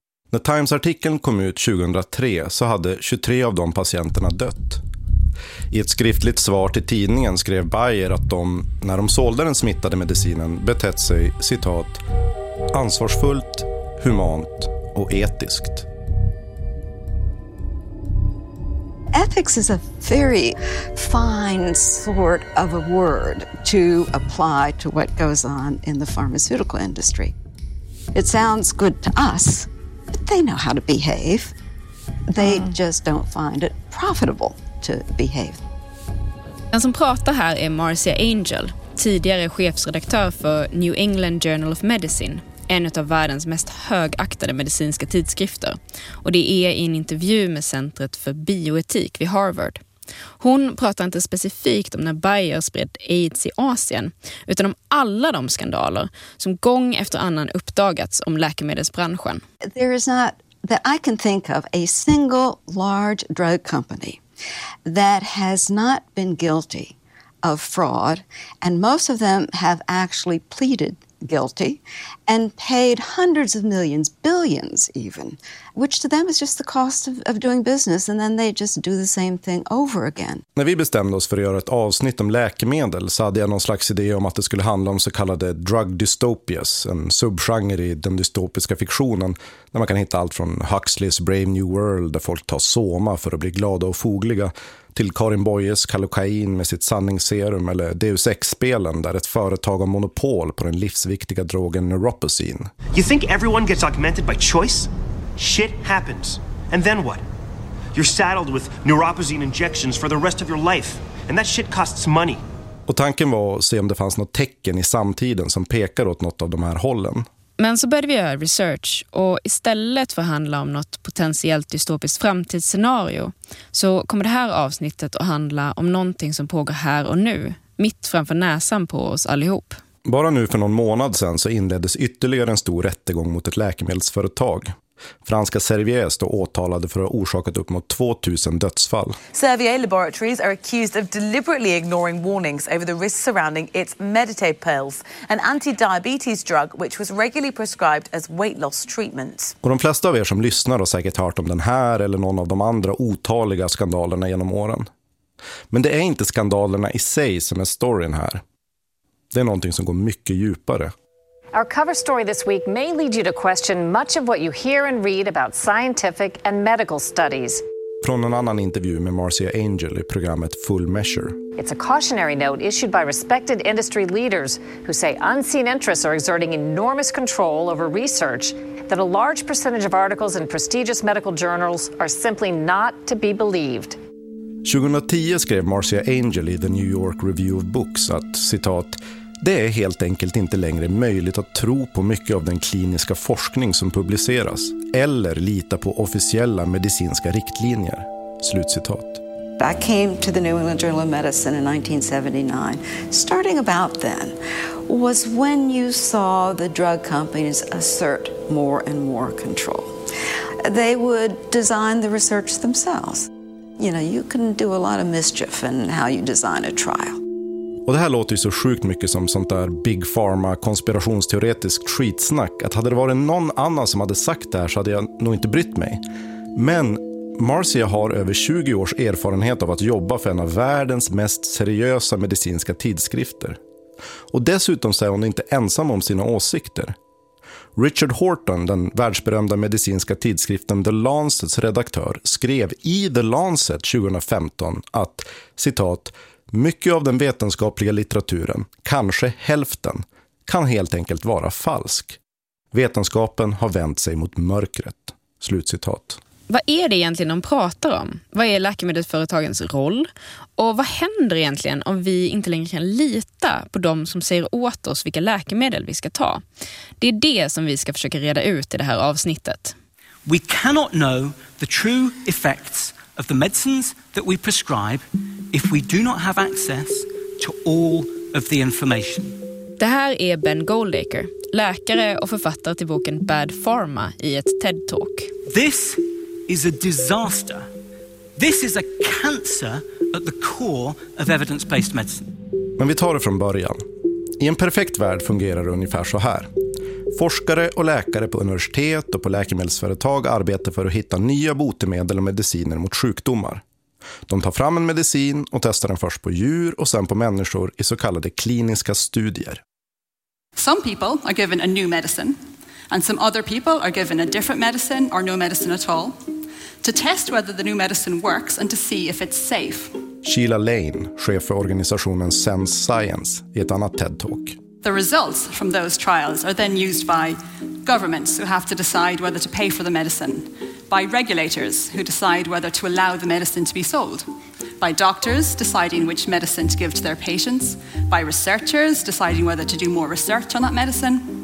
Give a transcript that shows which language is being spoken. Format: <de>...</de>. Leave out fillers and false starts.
<sv>När Times-artikeln kom ut 2003 så hade 23 av de patienterna dött. I ett skriftligt svar till tidningen skrev Bayer att de, när de sålde den smittade medicinen, betett sig, citat, ansvarsfullt, humant och etiskt.</sv> <en>Ethics is a very fine sort of a word to apply to what goes on in the pharmaceutical industry. It sounds good to us, but they know how to behave. They just don't find it profitable to behave.</en> <sv>Den som pratar här är Marcia Angel, tidigare chefsredaktör för New England Journal of Medicine, en av världens mest högaktade medicinska tidskrifter. Och det är i en intervju med Centret för bioetik vid Harvard. Hon pratar inte specifikt om när Bayer spred AIDS i Asien, utan om alla de skandaler som gång efter annan uppdagats om läkemedelsbranschen.</sv> <en>There is not that I can think of a single large drug company that has not been guilty of fraud, and most of them have actually pleaded guilty and paid hundreds of millions, billions even, which to them is just the cost of doing business, and then they just do the same thing over again.</en> <sv>När vi bestämde oss för att göra ett avsnitt om läkemedel så hade jag någon slags idé om att det skulle handla om så kallade drug dystopias, en subgenre i den dystopiska fiktionen där man kan hitta allt från Huxley's Brave New World där folk tar Soma för att bli glada och fogliga, till Karin Boyes kalokain med sitt sanningsserum eller Deus Ex-spelen där ett företag har monopol på den livsviktiga drogen neuropocin.</sv> <en>You think everyone gets augmented by choice? Shit happens. And then what? You're saddled with neuropocin injections for the rest of your life. And that shit costs money.</en> <sv>Och tanken var att se om det fanns något tecken i samtiden som pekar åt något av de här hållen. Men så började vi göra research och istället för att handla om något potentiellt dystopiskt framtidsscenario så kommer det här avsnittet att handla om någonting som pågår här och nu, mitt framför näsan på oss allihop. Bara nu för någon månad sedan så inleddes ytterligare en stor rättegång mot ett läkemedelsföretag. Franska Servier står åtalade för att ha orsakat upp mot 2000 dödsfall.</sv> <en>Servier Laboratories are accused of deliberately ignoring warnings over the risks surrounding its Meditate pills, an anti-diabetes drug which was regularly prescribed as weight loss treatment.</en> <sv>Och de flesta av er som lyssnar har säkert hört om den här eller någon av de andra otaliga skandalerna genom åren. Men det är inte skandalerna i sig som är storyn här. Det är någonting som går mycket djupare.</sv> <en>Our cover story this week may lead you to question much of what you hear and read about scientific and medical studies.</en> <sv>Från en annan intervju med Marcia Angel i programmet Full Measure.</sv> <en>It's a cautionary note issued by respected industry leaders who say unseen interests are exerting enormous control over research, that a large percentage of articles in prestigious medical journals are simply not to be believed.</en> <sv>2010 skrev Marcia Angel i The New York Review of Books att, citat, det är helt enkelt inte längre möjligt att tro på mycket av den kliniska forskning som publiceras eller lita på officiella medicinska riktlinjer. Slutcitat.</sv> <en>I came to the New England Journal of Medicine in 1979. Starting about then was when you saw the drug companies assert more and more control. They would design the research themselves. You know, you can do a lot of mischief in how you design a trial.</en> <sv>Och det här låter ju så sjukt mycket som sånt där Big Pharma konspirationsteoretiskt skitsnack att hade det varit någon annan som hade sagt det här så hade jag nog inte brytt mig. Men Marcia har över 20 års erfarenhet av att jobba för en av världens mest seriösa medicinska tidskrifter. Och dessutom så är hon inte ensam om sina åsikter. Richard Horton, den världsberömda medicinska tidskriften The Lancets redaktör, skrev i The Lancet 2015 att, citat, mycket av den vetenskapliga litteraturen, kanske hälften, kan helt enkelt vara falsk. Vetenskapen har vänt sig mot mörkret. Slutcitat. Vad är det egentligen de pratar om? Vad är läkemedelsföretagens roll? Och vad händer egentligen om vi inte längre kan lita på de som säger åt oss vilka läkemedel vi ska ta? Det är det som vi ska försöka reda ut i det här avsnittet.</sv> <en>We cannot know the true effects of the medicines that we prescribe if we do not have access to all of the information.</en> <sv>Det här är Ben Goldacre, läkare och författare till boken Bad Pharma i ett TED-talk.</sv> <en>This is a disaster. This is a cancer at the core of evidence-based medicine.</en> <sv>Men vi tar det från början. I en perfekt värld fungerar det ungefär så här. Forskare och läkare på universitet och på läkemedelsföretag arbetar för att hitta nya botemedel och mediciner mot sjukdomar. De tar fram en medicin och testar den först på djur och sen på människor i så kallade kliniska studier.</sv> <en>Some people are given a new medicine and some other people are given a different medicine or no medicine at all to test whether the new medicine works and to see if it's safe.</en> <sv>Sheila Lane, chef för organisationen Sense Science, i ett annat TED-talk.</sv> <en>The results from those trials are then used by governments who have to decide whether to pay for the medicine, by regulators who decide whether to allow the medicine to be sold, by doctors deciding which medicine to give to their patients, by researchers deciding whether to do more research on that medicine.</en>